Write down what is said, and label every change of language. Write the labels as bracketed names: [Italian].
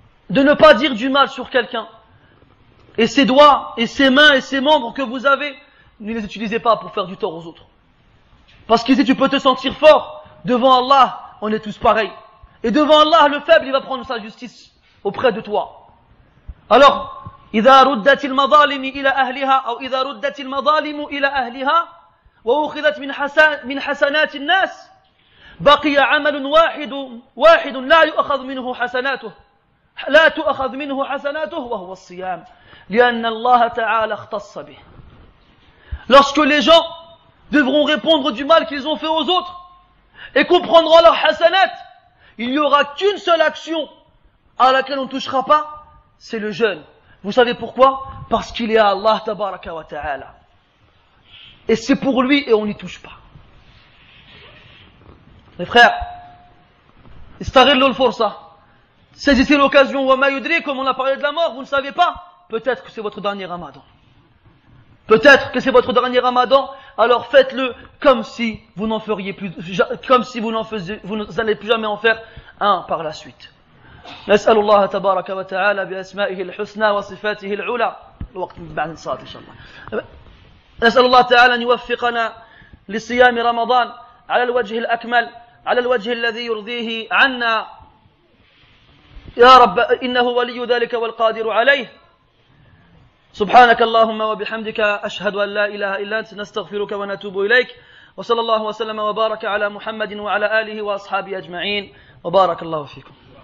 [French] De ne pas dire du mal sur quelqu'un. Et ses doigts, et ses mains, et ses membres que vous avez, ne les utilisez pas pour faire du tort aux autres. Parce que si tu peux te sentir fort, devant Allah, on est tous pareils. Et devant Allah, le faible, il va prendre sa justice auprès de toi. [Arabic] Alors, إذا ردت المظالم إلى أهلها أو إذا ردت المظالم إلى أهلها وأخذت من حسنات الناس بقي عمل واحد لا يؤخذ منه حسناته لا تؤخذ منه حسناته وهو الصيام لأن الله تعالى اختص به. [French] Lorsque les gens devront répondre du mal qu'ils ont fait aux autres et comprendront leurs hasanat, il n'y aura qu'une seule action à laquelle on ne touchera pas, c'est le jeûne. Vous savez pourquoi? Parce qu'il est à Allah tabaraka wa ta'ala. Et c'est pour lui et on n'y touche pas. Mes frères, [Arabic] istaghillu al-fursa. [French] Saisissez l'occasion, [Arabic] wa ma yudri, [French] comme on a parlé de la mort, vous ne savez pas. Peut-être que c'est votre dernier ramadan. Peut-être que c'est votre dernier ramadan, alors faites-le comme si vous n'en feriez plus, comme si vous n'en faisiez, vous n'allez plus jamais en faire un par la suite. [Arabic] نسأل الله تبارك وتعالى بأسمائه الحسنى وصفاته العلى الوقت بعد الصلاة إن شاء الله نسأل الله تعالى أن يوفقنا لصيام رمضان على الوجه الأكمل على الوجه الذي يرضيه عنا يا رب إنه ولي ذلك والقادر عليه سبحانك اللهم وبحمدك أشهد أن لا إله إلا أنت نستغفرك ونتوب إليك وصلى الله وسلم وبارك على محمد وعلى آله وأصحابه أجمعين وبارك الله فيكم